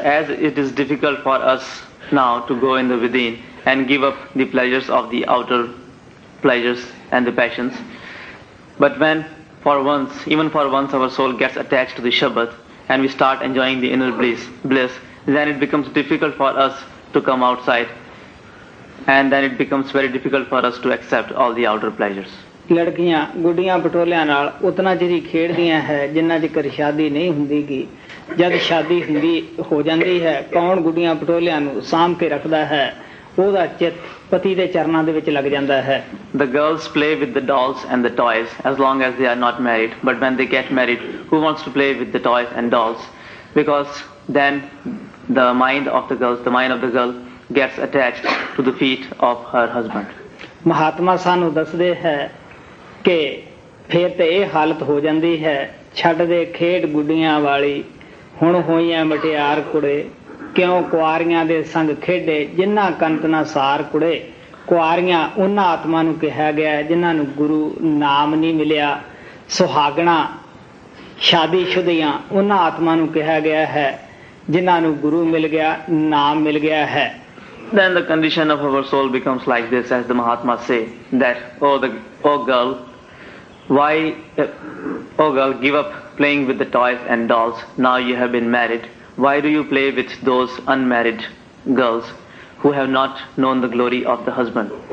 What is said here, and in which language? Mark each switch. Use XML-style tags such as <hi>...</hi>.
<en>As it is difficult for us now to go in the within and give up the pleasures of the outer pleasures and the passions, but when for once, even for once, our soul gets attached to the Shabad and we start enjoying the inner bliss, then it becomes difficult for us to come outside, and then it becomes very difficult for us to accept all the outer pleasures.</en> <pa>ਲੜਕੀਆਂ ਗੁੱਡੀਆਂ ਪਟੋਲਿਆਂ ਨਾਲ ਉਤਨਾ ਚਿਰ ਹੀ ਖੇਡਦੀਆਂ ਹੈ ਜਿੰਨਾ ਚਿਰ ਸ਼ਾਦੀ ਨਹੀਂ ਹੁੰਦੀ ਗੀ। ਜਦ ਸ਼ਾਦੀ ਹੁੰਦੀ ਹੋ ਜਾਂਦੀ ਹੈ, ਕੌਣ ਗੁੱਡੀਆਂ ਪਟੋਲਿਆਂ ਨੂੰ ਸਾਂਭ ਕੇ ਰੱਖਦਾ ਹੈ, ਉਹਦਾ ਚਿੱਤ ਪਤੀ ਦੇ ਚਰਨਾਂ ਦੇ ਵਿੱਚ ਲੱਗ ਜਾਂਦਾ ਹੈ।</pa> <en>The girls play with the dolls and the toys as long as they are not married, but when they get married, who wants to play with the toys and dolls? Because then the mind of the girls, the mind of the girl gets attached to the feet of her husband.</en> <pa>Mahatma ਸਾਨੂੰ ਦੱਸਦੇ ਹੈ ਕਿ ਫਿਰ ਤਾਂ ਇਹ ਹਾਲਤ ਹੋ ਜਾਂਦੀ ਹੈ, ਛੱਡ ਦੇ ਖੇਡ ਗੁੱਡੀਆਂ ਵਾਲੀ ਹੁਣ ਹੋਈਆਂ ਮਟਿਆਰ ਕੁੜੇ, ਕਿਉਂ ਕੁਆਰੀਆਂ ਦੇ ਸੰਗ ਖੇਡੇ ਜਿਨ੍ਹਾਂ ਕੰਤ ਨਾ ਸਾਰ ਕੁੜੇ। ਕੁਆਰੀਆਂ ਉਹਨਾਂ ਆਤਮਾ ਨੂੰ ਕਿਹਾ ਗਿਆ ਜਿਨ੍ਹਾਂ ਨੂੰ ਗੁਰੂ ਨਾਮ ਨਹੀਂ ਮਿਲਿਆ, ਸੁਹਾਗਣਾ ਸ਼ਾਦੀ ਸ਼ੁਦੀਆਂ ਉਹਨਾਂ ਆਤਮਾ ਨੂੰ ਕਿਹਾ ਗਿਆ ਹੈ ਜਿਨ੍ਹਾਂ ਨੂੰ ਗੁਰੂ ਮਿਲ ਗਿਆ, ਨਾਮ ਮਿਲ ਗਿਆ ਹੈ।</pa> <en>Then the condition of our soul becomes like this, as the Mahatma say, that, oh girl, why, oh girl, give up playing with the toys and dolls. Now you have been married. Why do you play with those unmarried girls who have not known the glory of the husband?</en>